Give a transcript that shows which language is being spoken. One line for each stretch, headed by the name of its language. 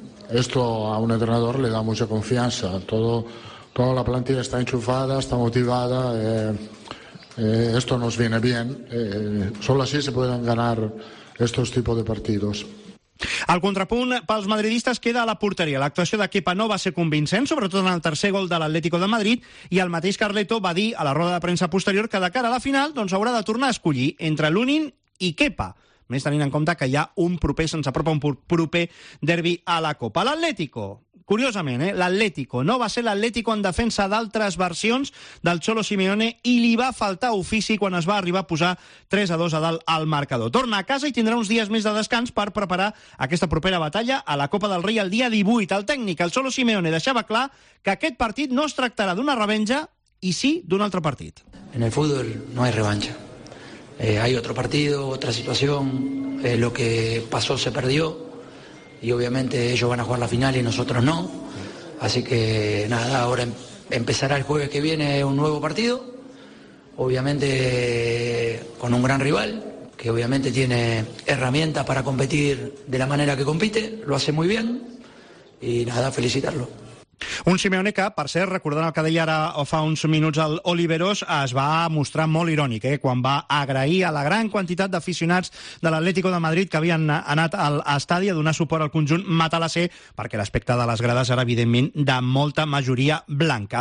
Spanish: Esto a un entrenador le da mucha confianza. Toda la plantilla está enchufada, está motivada. Esto nos viene bien. Solo así se pueden ganar estos tipos de partidos.
Catalan: El contrapunt pels madridistes queda a la porteria. L'actuació de Kepa no va ser convincent, sobretot en el tercer gol de l'Atlético de Madrid, i el mateix Carleto va dir a la roda de premsa posterior que de cara a la final doncs haurà de tornar a escollir entre Lunin i Kepa. Més tenint en compte que hi ha un proper, se'ns apropa un proper derbi a la Copa. L'Atlético, curiosament, l'Atlético no va ser l'Atlético en defensa d'altres versions del Cholo Simeone, i li va faltar ofici quan es va arribar a posar 3-2 a dalt al marcador. Torna a casa i tindrà uns dies més de descans per preparar aquesta propera batalla a la Copa del Rei el dia 18. El tècnic, el Cholo Simeone, deixava clar que aquest partit no es tractarà d'una revenja i sí d'un altre partit. En el futbol no hi ha revenja.
Spanish: Hay otro partido, otra situación, lo que pasó se perdió y obviamente ellos van a jugar la final y nosotros no. Así que nada, ahora empezará el jueves que viene un nuevo partido, obviamente con un gran rival que obviamente tiene herramientas para competir de la manera que compite, lo hace muy bien y nada, felicitarlo.
Catalan: Un Simeone que, per cert, recordant el que deia ara fa uns minuts el Oliveros, es va mostrar molt irònic, quan va agrair a la gran quantitat d'aficionats de l'Atlético de Madrid que havien anat a l'estadi a donar suport al conjunt matalasser, perquè l'aspecte de les grades era, evidentment, de molta majoria blanca.